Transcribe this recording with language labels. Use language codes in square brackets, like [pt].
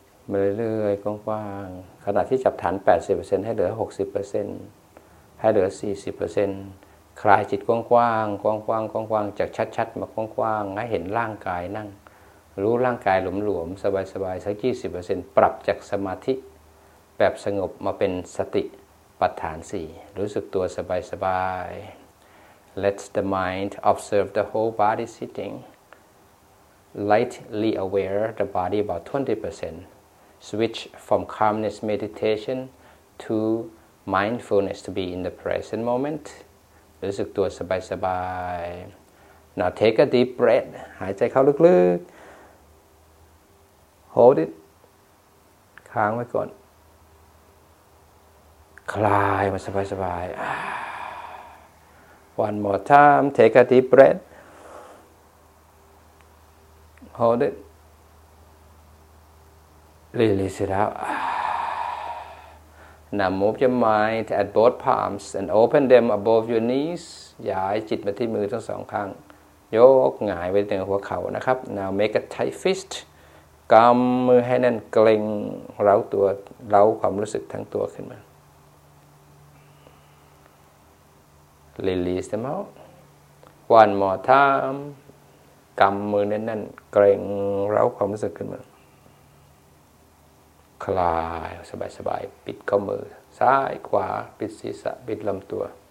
[th] มาเรื่อยๆกว้างๆขณะที่จับฐาน 80% ให้เหลือ 60% ให้เหลือ 40% คลายจิตกว้างๆกว้างๆกว้างๆจากชัดๆมากว้างๆให้เห็นร่างกายนั่งรู้ร่างกายหลวมๆสบายๆสัก 20% ปรับจากสมาธิแบบสงบมาเป็นสติปัฏฐาน 4รู้สึกตัวสบายๆ [en] Let the mind observe the whole body sitting. Lightly aware the body about 20%. Switch from calmness meditation to mindfulness to be in the present moment. [th] รู้สึกตัวสบายๆ [en] Now take a deep breath. [th] หายใจเข้าลึกๆ [en] Hold it. [th] ค้างไว้ก่อนคลายมาสบายๆ [en] One more time, take a deep breath. Hold it. Release it out. Now move your mind at both palms and open them above your knees. [th] ย้ายจิตมาที่มือทั้งสองข้างยกหงายไว้เหนือหัวเข่านะครับ [en] Now make a tight fist. [th] กำมือให้แน่นเกร็งเร้าตัวเร้าความรู้สึกทั้งตัวขึ้นมา [en] release them out one more time [th] กำมือแน่นๆเกรงเร้าความรู้สึกขึ้นมาคลายสบายๆปิดข้อมือซ้ายขวาปิดศีรษะปิดลำตัว